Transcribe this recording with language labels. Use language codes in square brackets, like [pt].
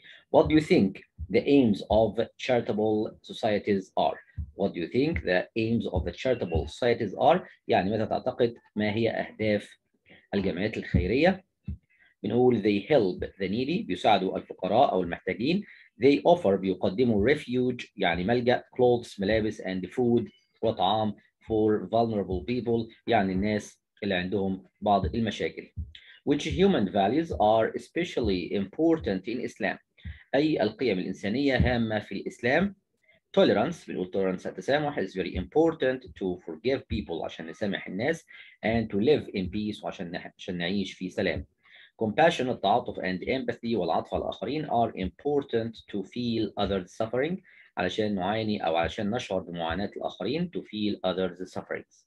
[en] What do you think the aims of charitable societies are? What do you think the aims of the charitable societies are? [ar] يعني ماذا تعتقد ما هي أهداف الجمعيات الخيرية؟ بنقول [en] they help the needy [ar] بيساعدوا الفقراء أو المحتاجين. [en] They offer [ar] بيقدموا [en] refuge [ar] يعني ملجأ [en] clothes [ar] ملابس [en] and food [ar] وطعام [en] for vulnerable people [ar] يعني الناس اللي عندهم بعض المشاكل. [en] Which human values are especially important in Islam? [ar] أي القيم الإنسانية هامة في الإسلام؟ [en] tolerance [ar] بنقول [en] tolerance [ar] التسامح [en] is very important to forgive people [ar] عشان نسامح الناس [en] and to live in peace [ar] عشان نعيش في سلام. [en] compassion [ar] التعاطف [en] and empathy [ar] والعطف على الآخرين [en] are important to feel others suffering [ar] علشان نعاني أو علشان نشعر بمعاناة الآخرين [en] to feel others suffering.